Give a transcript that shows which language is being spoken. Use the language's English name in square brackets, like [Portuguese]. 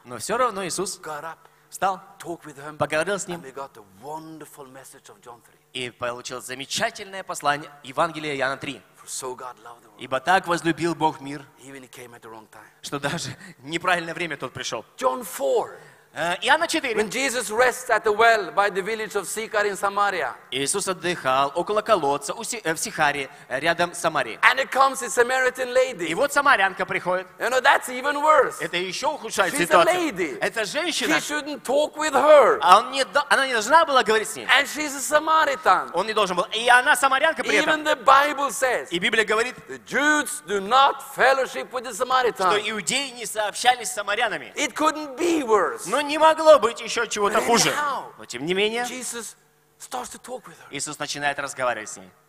[Russian] Но все равно Иисус [English] got up. [Russian] Встал, [English] talk with him, [Russian] поговорил с ним, [English] and we got the wonderful message of John 3. [Russian] И получил замечательное послание Евангелия Иоанна 3. [English] For so God loved the world, [Russian] ибо так возлюбил Бог мир, [English] even he came at the wrong time. [Russian] Что даже неправильное время тот пришел. [English] John 4. [Russian] Иоанна 4. [English] When Jesus rests at the well by the village of Sychar in Samaria. [Russian] Иисус отдыхал около колодца в Сихаре, рядом с Самарией. [English] And it comes a Samaritan lady. [Russian] И вот самарянка приходит. [English] You know, that's even worse. [Russian] Это еще ухудшает [English] She's [Russian] ситуацию. [English] A lady. [Russian] Это женщина. [English] He shouldn't talk with her. [Russian] Она не должна была говорить с ней. [English] And she's a Samaritan. [Russian] Он не должен был. И она самарянка при [English] even Even the Bible says. [Russian] И Библия говорит. [English] The Jews do not fellowship with the Samaritans. [Russian] Что иудеи не сообщались с самарянами. [English] It couldn't be worse. [Russian] Но не могло быть еще чего-то хуже. Но тем не менее, Иисус начинает разговаривать с ней.